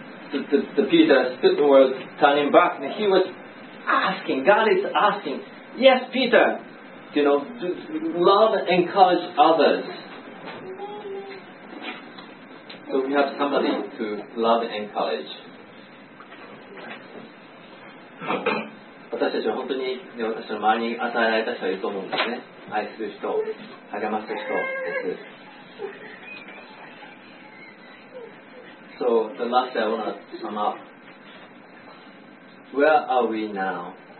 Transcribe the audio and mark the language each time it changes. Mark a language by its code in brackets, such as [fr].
[en] The Peter stood towards turning back and he was asking, God is asking, yes, Peter, you know, love and encourage others. So we have somebody to love and encourage. [ja] 私たちは本当に、ね、私の周りに与えられた人はいると思うんですね。愛する人、励ます人です。 [en] So, the last I want to sum up. Where are we now?